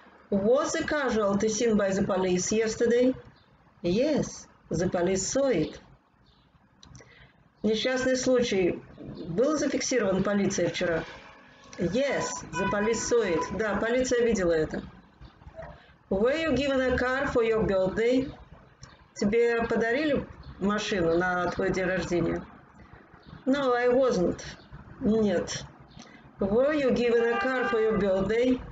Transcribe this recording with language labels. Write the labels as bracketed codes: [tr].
[en] Was the casualty seen by the police yesterday? Yes, the police saw it. [ru] Несчастный случай был зафиксирован полицией вчера. [en] Yes, the police saw it. [ru] Да, полиция видела это. [en] Were you given a car for your birthday? [ru] Тебе подарили машину на твой день рождения? [en] No, I wasn't. [ru] Нет. [en] Were you given a car for your birthday?